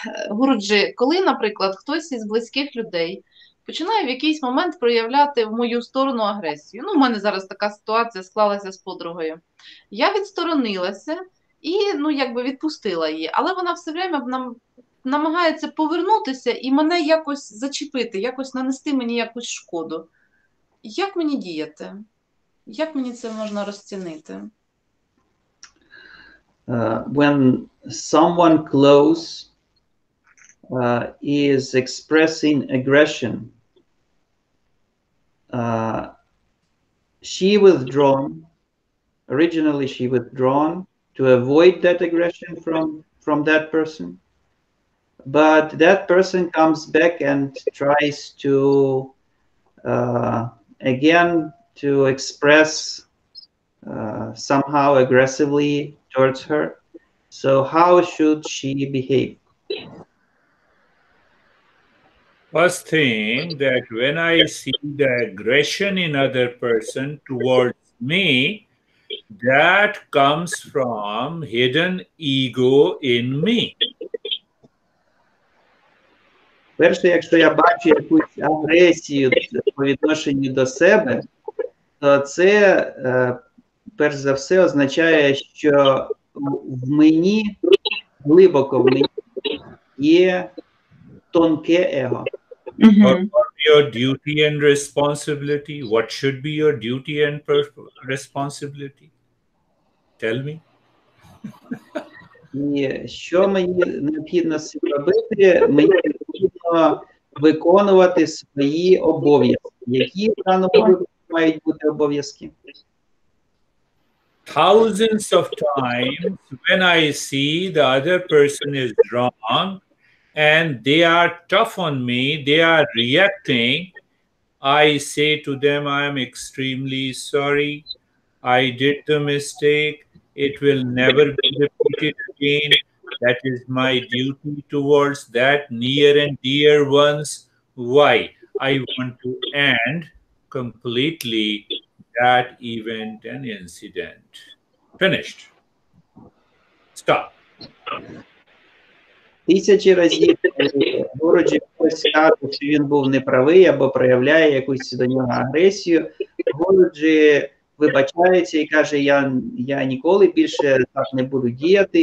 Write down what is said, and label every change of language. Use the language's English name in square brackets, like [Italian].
[Ukrainian] Гуруджи, коли, наприклад, хтось із близьких людей починає в якийсь момент проявляти в мою сторону агресію, ну, в мене зараз така ситуація склалася з подругою, я відсторонилася і, ну, якби відпустила її, але вона все время намагається повернутися і мене якось зачепити, якось нанести мені якусь шкоду. Як мені діяти? Як мені це можна розцінити? [English] When someone close is expressing aggression, she withdrawn, originally she withdrawn to avoid that aggression from that person, but that person comes back and tries to again to express somehow aggressively towards her. So how should she behave? First thing, that when I see the aggression in other person towards me, that comes from hidden ego in me. [Ukrainian] Перше, якщо я бачу якусь агресію по відношенню до себе, то це перш за все означає, що в мені, глибоко в мені, є тонке его. [English] Your duty and responsibility. What should be your duty and responsibility? Tell me. [Ukrainian] Ні, що мені необхідно робити? Мені необхідно виконувати свої обов'язки. Які в даному випадку мають бути обов'язки? [English] Thousands of times when I see the other person is wrong and they are tough on me, they are reacting, I say to them, I am extremely sorry, I did the mistake, it will never be repeated again, that is my duty towards that near and dear ones. Why? I want to end completely that event and incident. Finished. Stop. [Ukrainian] Тисячі разів Гуруджі сказав, що він був неправий або проявляє якусь до нього агресію. Гуруджі вибачається і каже, я ніколи більше так не буду діяти.